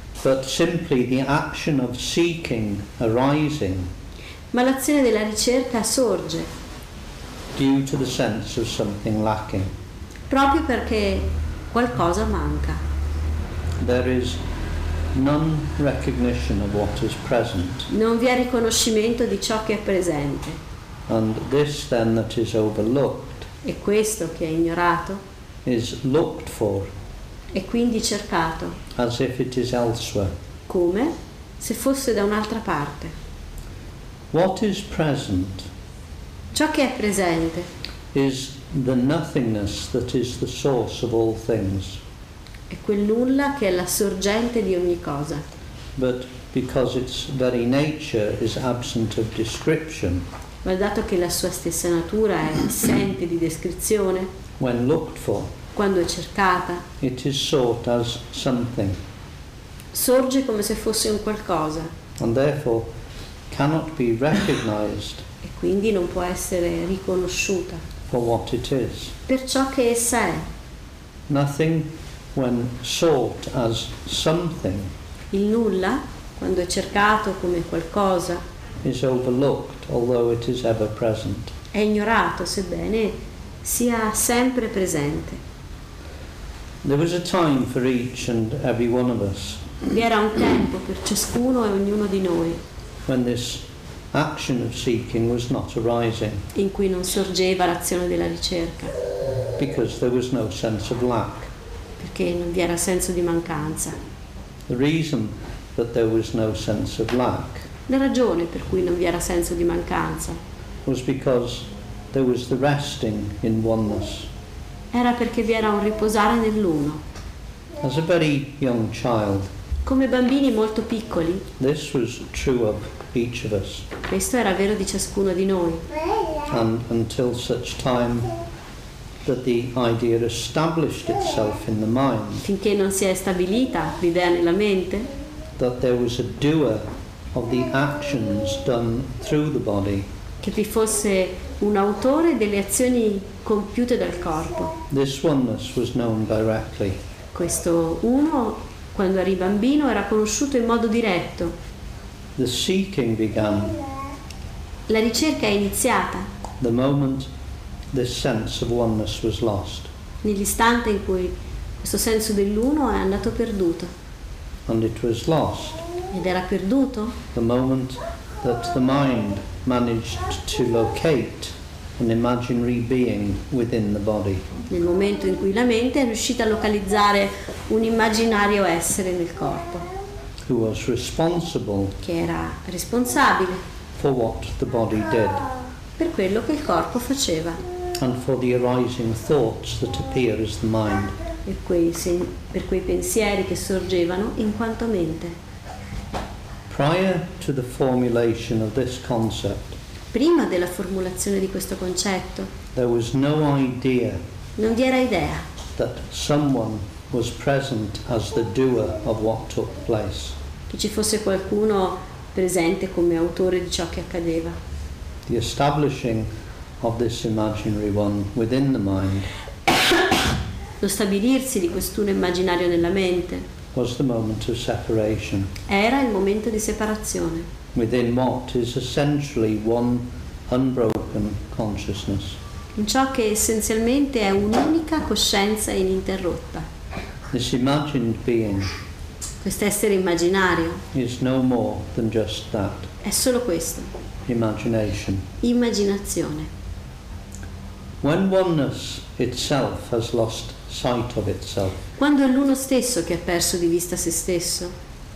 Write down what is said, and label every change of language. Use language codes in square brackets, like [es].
[en] But simply the action of seeking arising. [it] Ma l'azione della ricerca sorge. [en] Due to the sense of something lacking. [it] Proprio perché qualcosa manca. [en] There is non recognition of what is present. [it] Non vi è riconoscimento di ciò che è presente. [en] And this then that is overlooked. [it] E questo che è ignorato. [en] Is looked for. [it] E quindi cercato. [en] As if it is elsewhere. [it] Come se fosse da un'altra parte. [en] What is present? [it] Ciò che è presente. [en] Is the nothingness that is the source of all things. [it] È quel nulla che è la sorgente di ogni cosa. [en] But because its very nature is absent of description. [it] Ma dato che la sua stessa natura è assente di descrizione. [en] When looked for. [it] Quando è cercata, [en] it is sought as something. [it] Sorge come se fosse un qualcosa. [en] And therefore cannot be recognized. [it] E quindi non può essere riconosciuta. [en] For what it is. [it] Per ciò che essa è. [en] Nothing when sought as something. [it] Il nulla, quando è cercato come qualcosa, [en] is overlooked, although it is ever present. [it] È ignorato, sebbene sia sempre presente. [en] There was a time for each and every one of us. [it] Vi era un tempo per ciascuno e ognuno di noi. [en] When this action of seeking was not arising. [it] In cui non sorgeva l'azione della ricerca. [en] Because there was no sense of lack. [it] Perché non vi era senso di mancanza. [en] The reason that there was no sense of lack. [it] La ragione per cui non vi era senso di mancanza. [en] Was because there was the resting in oneness. [it] Era perché vi era un riposare nell'uno. [en] As a very young child, [it] come bambini molto piccoli, [en] this was true of each of us. [it] Questo era vero di ciascuno di noi. [en] And until such time that the idea established itself in the mind, [it] finché non si è stabilita l'idea nella mente, [en] that there was a doer of the actions done through the body, [it] che vi fosse un autore delle azioni compiute dal corpo. [en] This oneness was known directly. [it] Questo uno, quando eri bambino, era conosciuto in modo diretto. [en] The seeking began. [it] La ricerca è iniziata. [en] The moment this sense of oneness was lost. [it] Nell'istante in cui questo senso dell'uno è andato perduto. [en] And it was lost. [it] Ed era perduto. [en] The moment that the mind managed to locate an imaginary being within the body. [it] Nel momento in cui la mente è riuscita a localizzare un immaginario essere nel corpo. [en] Who was responsible? [it] Che era responsabile. [en] For what the body did. [it] Per quello che il corpo faceva. [en] And for the arising thoughts that appear as the mind. [it] E per quei pensieri che sorgevano in quanto mente. [en] Prior to the formulation of this concept, [it] prima della formulazione di questo concetto, [en] there was no idea, [it] non vi era idea, [en] that someone was present as the doer of what took place. [it] Che ci fosse qualcuno presente come autore di ciò che accadeva. [en] The establishing of this imaginary one within the mind, [it] lo stabilirsi di quest'uno immaginario nella mente, [en] was the moment of separation. [it] Era il momento di separazione. [en] Within what is essentially one unbroken consciousness. [it] In ciò che essenzialmente è un'unica coscienza ininterrotta. [en] This imagined being. [it] Quest'essere immaginario. [en] Is no more than just that. [it] È solo questo. [en] Imagination. [it] Immaginazione. [en] When oneness itself has lost sight of itself. [it] Quando è l'uno stesso che ha perso di vista se stesso.